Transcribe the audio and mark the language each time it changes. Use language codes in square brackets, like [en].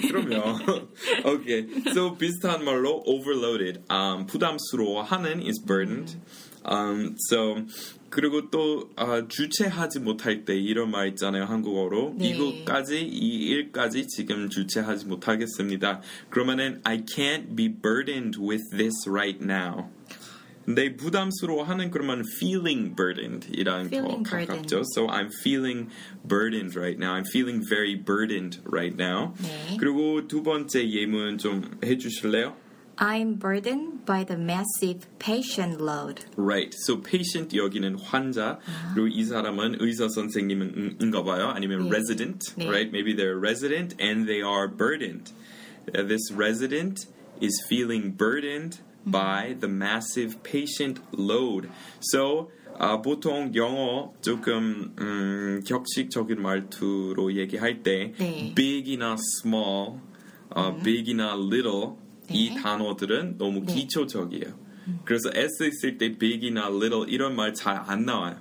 [ko] 그럼요. [en] Okay, so [ko] 비슷한 말로 overloaded. 부담스러워하는 [en] is burdened. [ko] So, 그리고 또 주체하지 못할 때 이런 말 있잖아요, 한국어로. 네. 이거까지, 이 일까지 지금 주체하지 못하겠습니다. 그러면은 [en] I can't be burdened with this right now. [ko] 근데 부담스러워하는 그러면 [en] feeling burdened [ko] 이라는 더 가깝죠. [en] Burdened. So I'm feeling burdened right now. I'm feeling very burdened right now. [ko] 네. 그리고 두 번째 예문 좀 해주실래요? [en] I'm burdened by the massive patient load. Right. So patient [ko] 여기는 환자. 그리고 이 사람은 의사 선생님인가 봐요. 아니면 [en] resident. [ko] 네. [en] Right. Maybe they're a resident and they are burdened. This resident is feeling burdened by the massive patient load. [ko] So 보통 영어 조금 격식적인 말투로 얘기할 때 네. big이나 small, big이나 little 네. 이 단어들은 너무 네. 기초적이에요. 그래서 S 있을 때 big이나 little 이런 말 잘 안 나와요.